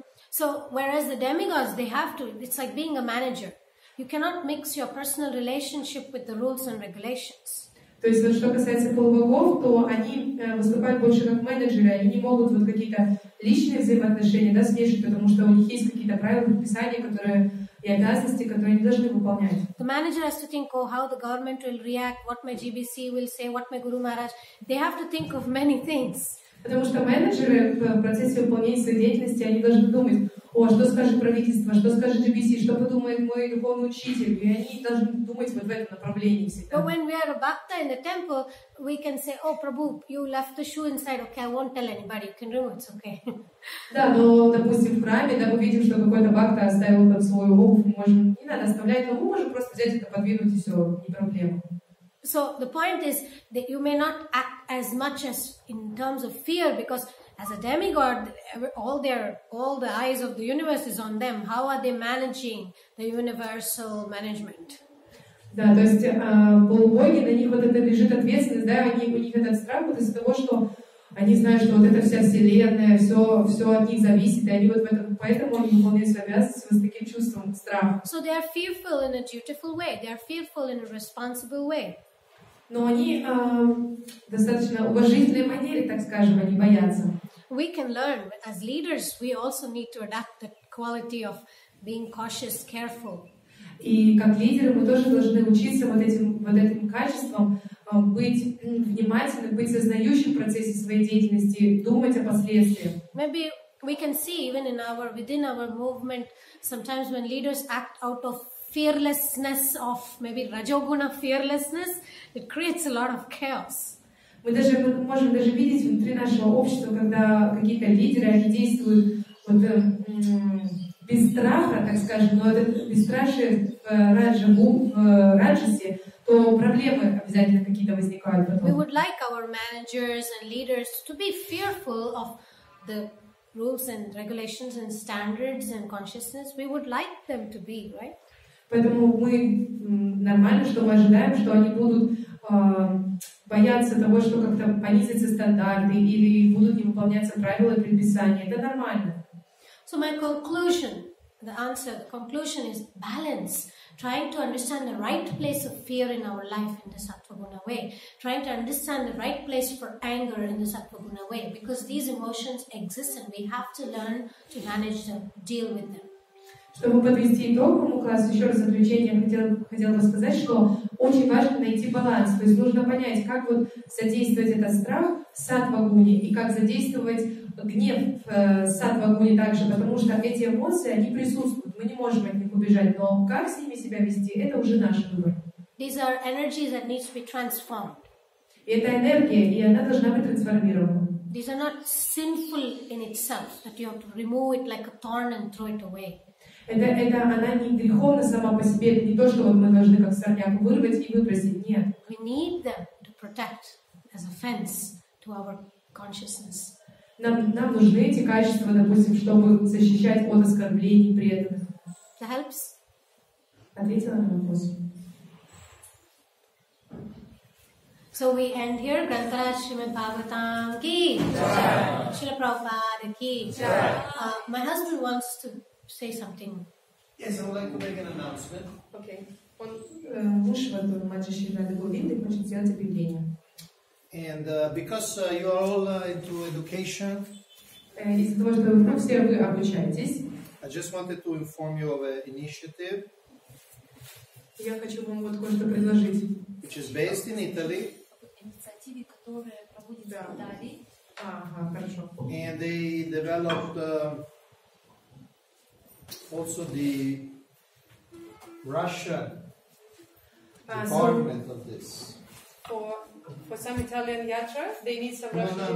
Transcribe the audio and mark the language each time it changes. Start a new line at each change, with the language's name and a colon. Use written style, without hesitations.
English: So whereas the demigods, they have to, it's like being a manager. You cannot mix your personal relationship with the rules and regulations.
Russian: То есть, что касается полубогов, то они выступают больше как менеджеры, они не могут вот какие-то личные взаимоотношения, да, смешивать, потому что у них есть какие-то правила, предписания, которые и обязанности, которые они должны выполнять.
English: The manager has to think, oh, how the government will react, what my GBC will say, what my Guru Maharaj, they have to think of many things.
Russian: Потому что менеджеры в процессе выполнения своей деятельности, они должны думать, о, что скажет правительство, что скажет GBC, что подумает мой духовный учитель, и они должны думать вот в этом направлении всегда.
English: But when we are a bhakta in the temple, we can say, oh, Prabhu, you left the shoe inside, okay, I won't tell anybody, you can remove it, it's okay.
Russian: Да, но, допустим, в храме, да, мы видим, что какой-то бхакта оставил там свою обувь, мы можем, не надо оставлять, но мы можем просто взять это, подвинуть, и все, не проблема.
English: So the point is that you may not act as much as in terms of fear, because as a demigod, all the eyes of the universe is on them. How are they managing the universal management?
Russian: Да, то есть полубоги, на них вот это лежит ответственность, да, они у них этот страх вот из-за того, что они знают, что вот эта вся вселенная, все от них зависит, и они вот в этом, поэтому они выполняют свои обязанности вот с таким чувством страха.
English: So they are fearful in a dutiful way. They are fearful in a responsible way.
Russian: Но они достаточно уважительной манере, так скажем, они боятся.
English: We can learn, but as leaders, we also need to adapt the quality of being cautious, careful.
Russian: И как лидеры мы тоже должны учиться вот этим качеством быть внимательным, быть сознающим в процессе своей деятельности, думать о последствиях.
English: Maybe we can see even in our within our movement sometimes when leaders act out of fearlessness of maybe rajoguna fearlessness, it creates a lot of chaos.
Russian: Мы даже можем даже видеть внутри нашего общества, когда какие-то лидеры они действуют вот без страха, так скажем, но это бесстрашие в раджасе, то проблемы обязательно какие-то возникают потом.
English: We would like our managers and leaders to be fearful of the rules and regulations and standards and consciousness. We would like them to be, right?
Russian: Поэтому мы нормально, что мы ожидаем, что они будут бояться того, что как-то понизятся стандарты или будут не выполняться правила и предписания. Это нормально.
English: So my conclusion, the answer, the conclusion is balance. Trying to understand the right place of fear in our life in the sattva-guna way. Trying to understand the right place for anger in the sattva-guna way. Because these emotions exist and we have to learn to manage them, deal with them.
Russian: Чтобы подвести итог этому классу, еще раз в заключение я хотела бы сказать, что очень важно найти баланс. То есть нужно понять, как вот задействовать этот страх в сатва-гуне и как задействовать гнев в сатва-гуне также, потому что эти эмоции, они присутствуют, мы не можем от них убежать, но как с ними себя вести, это уже наш выбор.
English: These are energies that need to be transformed.
Russian: И это энергия, и она должна быть трансформирована.
English: These are not sinful in itself, that you have to remove it like a thorn and throw it away.
Russian: Это она не греховна сама по себе, это не то, что мы должны как сорняк вырвать и выбросить, нет.
English: We need them to protect as a fence to our consciousness.
Russian: Нам нужны эти качества, допустим, чтобы защищать от оскорблений преданных.
English: That helps?
Russian: Ответила на вопрос.
English: So we end here. Grantara Srimad Bhagavatam ki. Srila Prabhupada ki. My husband wants to say something. Yes, I would like to make an announcement. Okay.
Russian: Муж в этом матче Шивнады Говинды хочет сделать объявление.
English: And because you are all into education,
Russian: из-за того, что там все вы обучаетесь,
English: I just wanted to inform you of an initiative.
Russian: Я хочу вам вот кое-что предложить.
English: Which is based in Italy.
Russian: Инициативе, которая проводится в Италии. Хорошо.
English: And they developed also the Russia department of this. For some Italian yatra, they need some Russian.